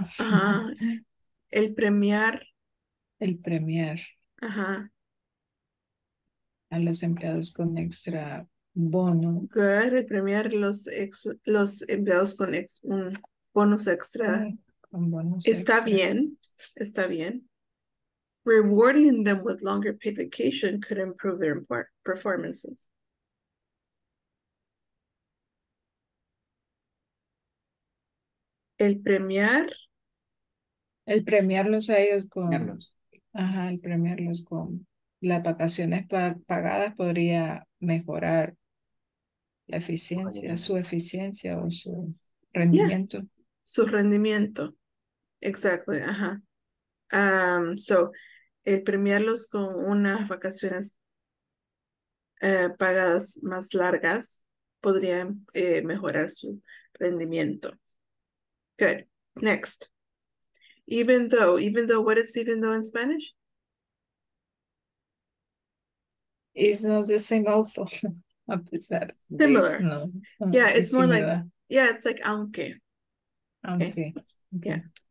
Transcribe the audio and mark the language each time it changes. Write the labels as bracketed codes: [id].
[es] Uh-huh. El premiar. El premiar. Uh-huh. A los empleados con extra. Bono. [en] Good. [es] El premiar los empleados con un bonus extra. Con bonus está extra. Bien. Está bien. [en] Rewarding them with longer paid vacation could improve their performances. [es] El premiarlos a ellos con. Ajá, el premiarlos con las vacaciones pagadas podría mejorar. La eficiencia, su eficiencia o su rendimiento. Yeah. Su rendimiento. Exactly. Ajá. So, el premiarlos con unas vacaciones pagadas más largas podría mejorar su rendimiento. Good. [en] Next. Even though, what is even though in Spanish? It's not the same also. Is that similar? No. Yeah, it's more similar. Like, yeah, it's like aunque. Okay. Yeah.